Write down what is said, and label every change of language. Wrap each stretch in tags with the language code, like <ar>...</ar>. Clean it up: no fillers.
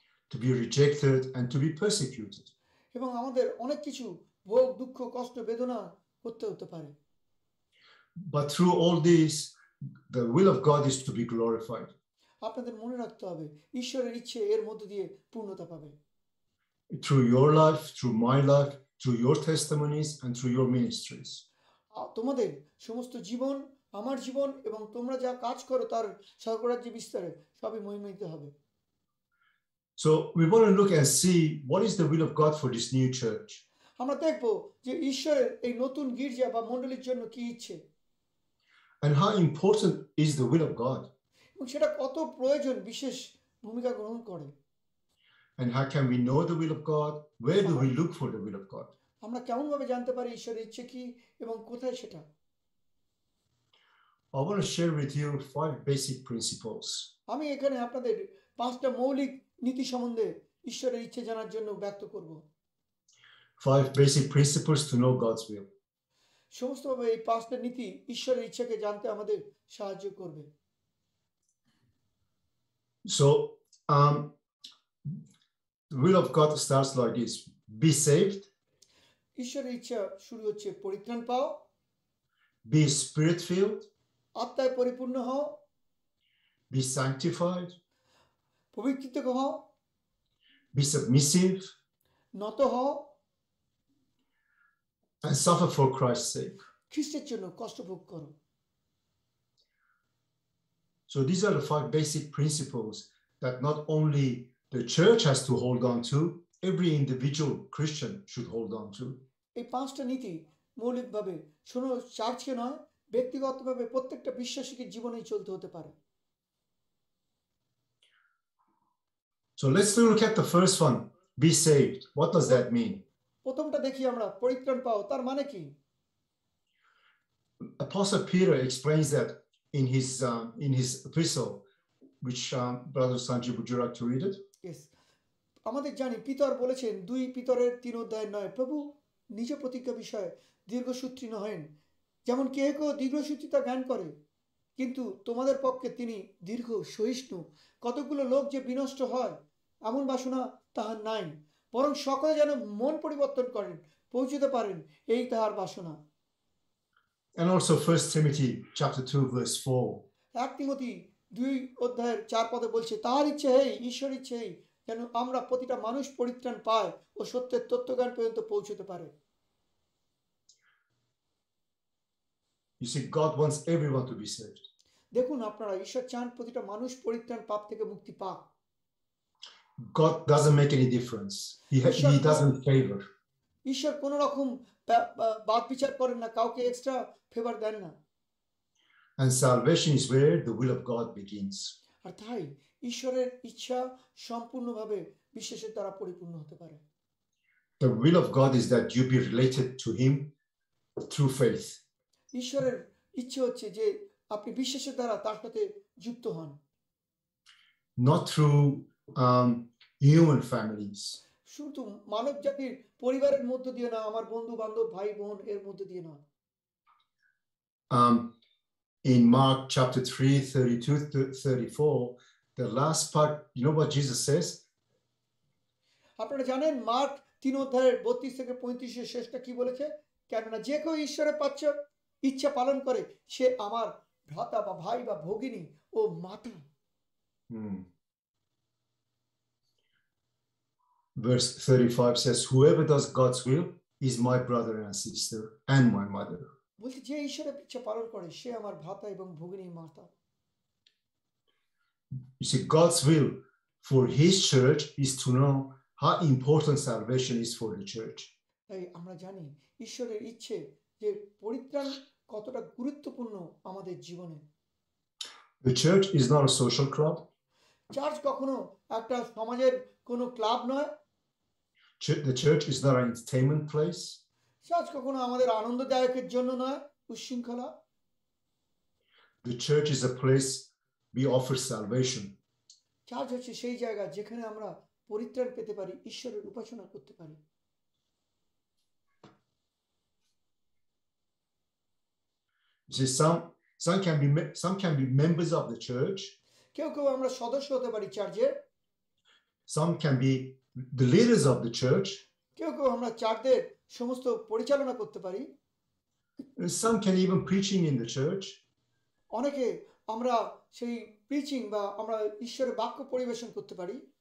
<en>To be rejected and to be persecuted.</en> <bn>এবং আমাদের অনেক কিছু ভোগ দুঃখ কষ্ট বেদনা করতে হতে পারে।</bn> <en>But through all this, the will of God is to be glorified.</en> <bn>আপনাদের মনে রাখতে হবে ঈশ্বরের ইচ্ছে এর মধ্যে দিয়ে পূর্ণতা পাবে।</bn> <en>Through your life, through my life, through your testimonies and through your ministries.</en> <bn>তোমাদের সমস্ত জীবন, আমার জীবন এবং তোমরা যা কাজ করো তার স্বর্গরাজ্যে বিস্তারে সবই মহিমান্বিত হবে।</bn> <en>So we want to look and see what is the will of God for this new church.</en> <bn>আমরা দেখব যে ঈশ্বরের এই নতুন গির্জা বা মণ্ডলীর জন্য কি ইচ্ছে।</bn> <en>And how important is the will of God?</en> <bn>এবং সেটা কত প্রয়োজন, বিশেষ ভূমিকা গ্রহণ করে।</bn> <en>And how can we know the will of God? Where do we look for the will of God?</en> <bn>আমরা কেমন ভাবে জানতে পারি ঈশ্বরের ইচ্ছে কি এবং কোথায় সেটা?</bn> <en>I want to share with you five basic principles.</en> <bn>আমি এখানে আপনাদের পাঁচটা মৌলিক নীতি সম্বন্ধে ঈশ্বরের ইচ্ছে জানার জন্য ব্যক্ত করব।</bn> <en>Five basic principles to know God's will.</en> <bn>সমস্তভাবে এই পাঁচটা নীতি ঈশ্বরের ইচ্ছাকে জানতে আমাদের সাহায্য করবে।</bn> <en>So the will of God starts like this. Be saved.</en> <bn>ঈশ্বরের ইচ্ছা শুরু হচ্ছে পরিত্রাণ পাও।</bn> <en>Be spirit filled.</en> <bn>আত্মায় পরিপূর্ণ হও।</bn> <en>Be sanctified.</en> <bn>পবিত্রিত হও।</bn> <en>Be submissive.</en> <bn>নত হও।</bn> <en>And suffer for Christ's sake.</en> <bn>খ্রিস্টের জন্য কষ্ট ভোগ করো।</bn> <en>So these are the five basic principles that not only the church has to hold on to, every individual Christian should hold on to.</en> <bn>এই পাঁচটা নীতি মৌলিকভাবে শোনো চার্চকে নয় ব্যক্তিগত ভাবে প্রত্যেকটা বিশ্বাসীকে জীবনেই চলতে হতে পারে।</bn> <en>So let's look at the first one, be saved. What does that mean?</en> <bn>প্রথমটা দেখি আমরা, পরিত্রাণ পাও, তার মানে কি?</bn> <en>Apostle Peter explains that in his epistle, which Brother Sanjeev, would you like to read it? Yes.</en> <bn>আমাদের জানি পিতর বলেছেন, দুই পিতরের তিন অধ্যায় নয়, প্রভু নিজ প্রতিজ্ঞা বিষয়ে দীর্ঘসূত্রী নহেন, যেমন কেহ কেউ দীর্ঘসূত্রিতা জ্ঞান করে, কিন্তু তোমাদের পক্ষে তিনি দীর্ঘ সহিষ্ণু। কতগুলো লোক যে বিনষ্ট হয় এমন বাসনা তাহার নাই, বরং সকলে যেন মন পরিবর্তন করেন, পৌঁছতে পারেন, এই তাহার বাসনা।</bn> <en>And also 1 Timothy chapter 2 verse 4.</en> <bn>1 Timothy 2 অধ্যায়ের 4 পদে বলছে, তাহার ইচ্ছে হে, ঈশ্বর ইচ্ছে হে, যেন আমরা প্রতিটা মানুষ পরিত্রাণ পায় ও সত্যের তত্ত্বজ্ঞান পর্যন্ত পৌঁছতে পারে।</bn> <en>You see, God wants everyone to be saved.</en> <bn>দেখুন আপনারা, ঈশ্বর চান প্রতিটা মানুষ পরিত্রাণ পাপ থেকে মুক্তি পাক।</bn> <en>God doesn't make any difference. He doesn't favor.</en> <bn>ঈশ্বর কোনো রকম বাদ বিচার করেন না, কাউকে</bn> <en>extra favour</en> <bn>দেন না।</bn> <en>And salvation is where the will of God begins.</en> <bn>আর তাই ঈশ্বরের ইচ্ছা সম্পূর্ণভাবে বিশ্বাসের দ্বারা পরিপূর্ণ হতে পারে।</bn> <en>The will of God is that you be related to him through faith.</en> <bn>ঈশ্বরের ইচ্ছে হচ্ছে যে আপনি বিশ্বাসের দ্বারা তার সাথে যুক্ত হন।</bn> <en>Not through human families.</en> <bn>শুধু মানব জাতির পরিবারের মধ্য দিয়ে না, আমার বন্ধু বান্ধব ভাই বোন এর মধ্য দিয়ে না।</bn> <en>In Mark chapter 3, 32-34, the last part, you know what Jesus says?</en> <bn>আপনারা জানেন মার্ক 3 অধ্যায়ের 32 থেকে 35 এর শেষটা কি বলেছে? কেননা যে কেউ ঈশ্বরের পাত্র ইচ্ছা পালন করে সে আমার ভ্রাতা বা ভাই বা ভগিনী ও মাতা।</bn> <en>Verse 35 says, whoever does God's will is my brother and sister and my mother.</en> <bn>বলছে যে ঈশ্বরের ইচ্ছা পালন করে সে আমার ভ্রাতা এবং ভগিনী মাতা।</bn> <en>You see, God's will for his church is to know how important salvation is for the church.</en> <bn>তাই আমরা জানি ঈশ্বরের ইচ্ছে যে পরিত্রাণ কতটা গুরুত্বপূর্ণ আমাদের জীবনে।</bn> <en>The church is not a social club.</en> <bn>Church কখনো একটা সমাজের কোনো ক্লাব নয়।</bn> <en>The church is not an entertainment place.</en> <bn>Church কখনো আমাদের আনন্দদায়কের জন্য নয়, উচ্ছৃঙ্খলা।</bn> <en>The church is a place we offer salvation.</en> <bn>Church হচ্ছে সেই জায়গা যেখানে আমরা পরিত্রাণ পেতে পারি, ঈশ্বরের উপাসনা করতে পারি।</bn> <en>Some can be members of the church.</en> <bn>কেউ কেউ আমরা সদস্য হতে পারি চার্চের।</bn> <en>Some can be the leaders of the church.</en> <bn>কেউ কেউ আমরা চার্চের সমস্ত পরিচালনা করতে পারি।</bn> <en>Some can even preaching in the church.</en> <bn>অনেকে আমরা সেই প্রিচিং বা আমরা ঈশ্বরের বাক্য পরিবেশন করতে পারি।</bn>